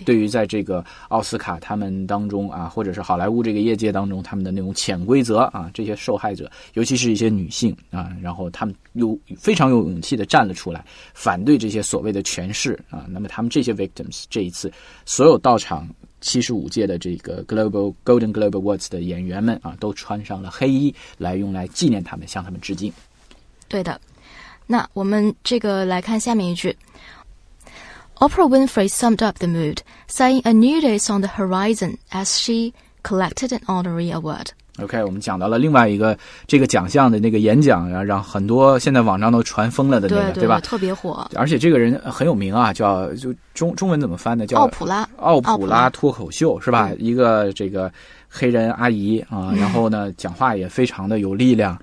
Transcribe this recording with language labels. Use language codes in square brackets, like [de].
[zh] 对于在这个奥斯卡他们当中啊，或者是好莱坞这个业界当中他们的那种潜规则啊，这些受害者尤其是一些女性啊，然后他们有非常有勇气的站了出来反对这些所谓的权势啊。那么他们这些 victims 这一次所有到场75届的这个 Golden Globe Awards 的演员们啊，都穿上了黑衣来用来纪念他们，向他们致敬。对的，那我们这个来看下面一句。 [en] Oprah Winfrey summed up the mood, saying a new day is on the horizon as she collected an honorary award. [zh] OK, 我们讲到了另外一个这个奖项的那个演讲，让很多现在网上都传疯了的那个，对吧，特别火。而且这个人很有名啊，叫就中文怎么翻的，叫奥普拉脱口秀，是吧，一个这个黑人阿姨啊，然后呢讲话也非常的有力量，